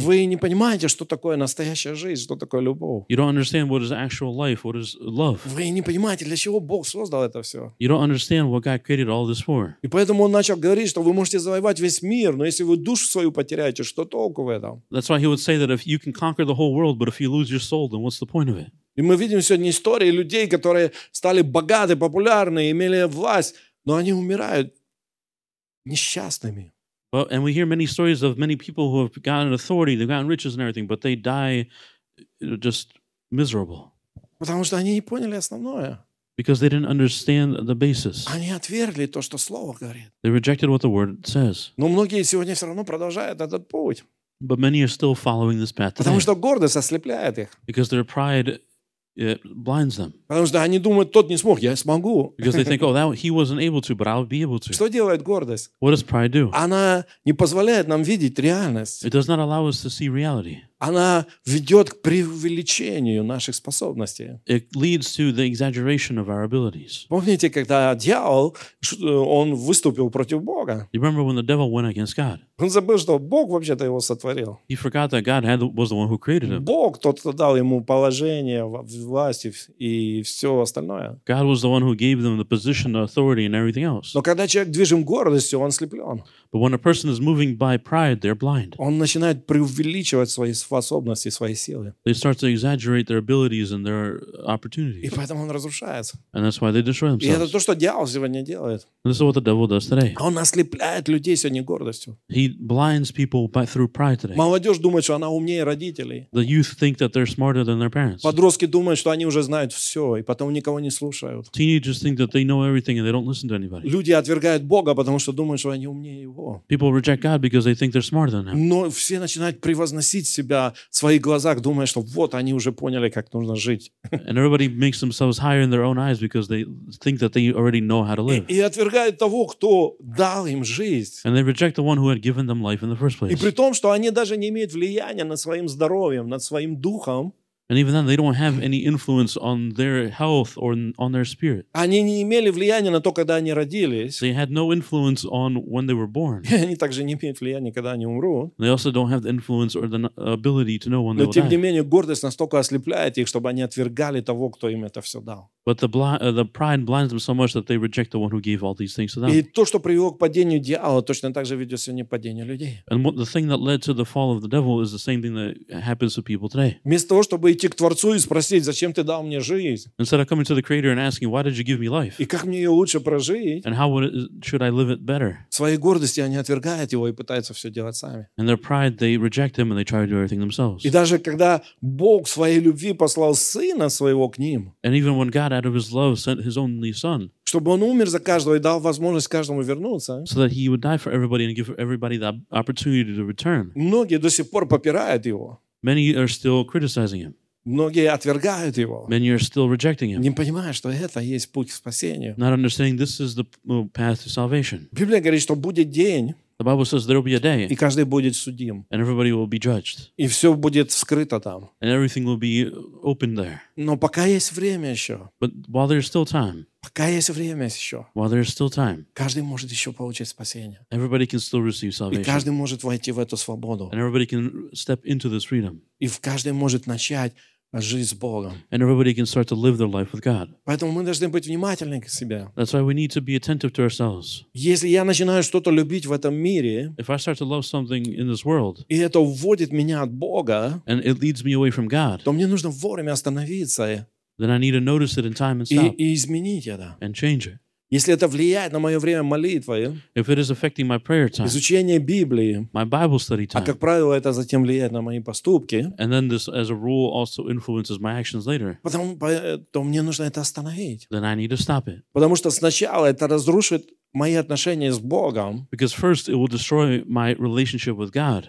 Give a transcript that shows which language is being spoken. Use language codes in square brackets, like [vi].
[ru] Вы не понимаете, что такое настоящая жизнь, что такое любовь. [en] You don't understand what is actual life, what is love. [ru] Вы не понимаете, для чего Бог создал это все. [en] You don't understand what God created all this for. [ru] И поэтому он начал говорить, что вы можете завоевать весь мир, но если вы душу свою потеряете, что толку в этом? [en] That's why he would say that if you can conquer the whole world, but if you lose your soul, then what's the point of it? [ru] И мы видим сегодня истории людей, которые стали богаты, популярны, имели власть, но они умирают несчастными. [en] Well, and we hear many stories of many people who have gotten authority, they've gotten riches and everything, but they die just miserable. [ru] Потому что они не поняли основное. [en] Because they didn't understand the basis. [ru] Они отвергли то, что слово говорит. [en] They rejected what the word says. [ru] Но многие сегодня все равно продолжают этот путь. [en] But many are still following this path today. [ru] Потому что гордость ослепляет их. [en] Because their pride it blinds them. [ru] Потому что они думают, тот не смог, я смогу. [en] Because they think, oh, that he wasn't able to, but I'll be able to. [ru] Что делает гордость? [en] What does pride do? [ru] Она не позволяет нам видеть реальность. [en] It does not allow us to see reality. [ru] Она ведет к преувеличению наших способностей. [en] It leads to the exaggeration of our abilities. [ru] Помните, когда дьявол, он выступил против Бога? [en] You remember when the devil went against God? [ru] Он забыл, что Бог вообще-то его сотворил. [en] He forgot that God was the one who created him. [ru] Бог тот, кто дал ему положение, власть и все остальное. [en] God was the one who gave them the position, the authority and everything else. [ru] Но когда человек движим гордостью, он ослеплен. [en] But when a person is moving by pride, they're blind. [ru] Он начинает преувеличивать свои способности, свои силы. [en] They start to exaggerate their abilities and their opportunities. [ru] И поэтому он разрушается. [en] And that's why they destroy themselves. [ru] И это то, что дьявол сегодня делает. [en] And this is what the devil does today. [ru] Он ослепляет людей сегодня гордостью. [en] He blinds people by, through pride today. [ru] Молодежь думает, что она умнее родителей. [en] The youth think that they're smarter than their parents. [ru] Подростки думают, что они уже знают все, и потом никого не слушают. [en] Teenagers think that they know everything and they don't listen to anybody. [ru] Люди отвергают Бога, потому что думают, что они умнее его. [en] People reject God because they think they're smarter than him. [ru] Но все начинают превозносить себя в своих глазах, думая, что вот они уже поняли, как нужно жить. [en] And everybody makes themselves higher in their own eyes because they think that they already know how to live. [ru] И отвергают того, кто дал им жизнь. [en] And they reject the one who had given them life in the first place. [ru] И при том, что они даже не имеют влияния над своим здоровьем, над своим духом. [en] And even then, they don't have any influence on their health or on their spirit. [ru] Они не имели влияния на то, когда они родились. [en] They had no influence on when they were born. [ru] Они также не имеют влияния, когда они умрут. [en] They also don't have the influence or the ability to know when they will die. [ru] Но тем не менее, гордость настолько ослепляет их, чтобы они отвергали того, кто им это все дал. [en] But the pride blinds them so much that they reject the one who gave all these things to them. [ru] И то, что привело к падению дьявола, точно так же ведет сегодня к падению людей. [en] And what, the thing that led to the fall of the devil is the same thing that happens to people today. [ru] Вместо того, чтобы идти к Творцу и спросить, зачем ты дал мне жизнь? [en] Instead of coming to the Creator and asking, why did you give me life? [ru] И как мне ее лучше прожить? [en] And how would it, should I live it better? [ru] В своей гордости они отвергают его и пытаются все делать сами. [en] In their pride, they reject him and they try to do everything themselves. [ru] И даже когда Бог своей любви послал Сына своего к ним. [en] And even when God out of his love sent his only son. [ru] Чтобы он умер за каждого и дал возможность каждому вернуться. [en] So that he would die for everybody and give everybody the opportunity to return. [ru] Многие до сих пор попирают его. [en] Many are still criticizing him. [ru] Многие отвергают его. [en] Many are still rejecting him. [ru] Не понимая, что это есть путь к спасению. [en] Not understanding this is the path to salvation. [ru] Библия говорит, что будет день. [en] The Bible says there will be a day. [ru] И каждый будет судим. [en] And everybody will be judged. [ru] И все будет вскрыто там. [en] And everything will be open there. [ru] Но пока есть время еще. [en] But while there is still time. [ru] Пока есть время еще. [en] While there is still time. [ru] Каждый может еще получить спасение. [en] Everybody can still receive salvation. [ru] И каждый может войти в эту свободу. [en] And everybody can step into this freedom. [ru] И в каждый может начать жизнь с Богом. [en] And everybody can start to live their life with God. [ru] Поэтому мы должны быть внимательны к себе. [en] That's why we need to be attentive to ourselves. [ru] Если я начинаю что-то любить в этом мире, [en] if I start to love something in this world, [ru] и это уводит меня от Бога, [en] and it leads me away from God, [ru] то мне нужно вовремя остановиться, [en] then I need to notice it in time and stop, [ru] и изменить это, [en] and change it. [ru] Если это влияет на мое время молитвы, [en] if it is affecting my prayer time, [ru] изучение Библии, [en] my Bible study time, [ru] а как правило, это затем влияет на мои поступки, [en] and then this, as a rule, also influences my actions later, [ru] то мне нужно это остановить. [en] Then I need to stop it. [ru] Потому что сначала это разрушит мои отношения с Богом, [en] because first it will destroy my relationship with God,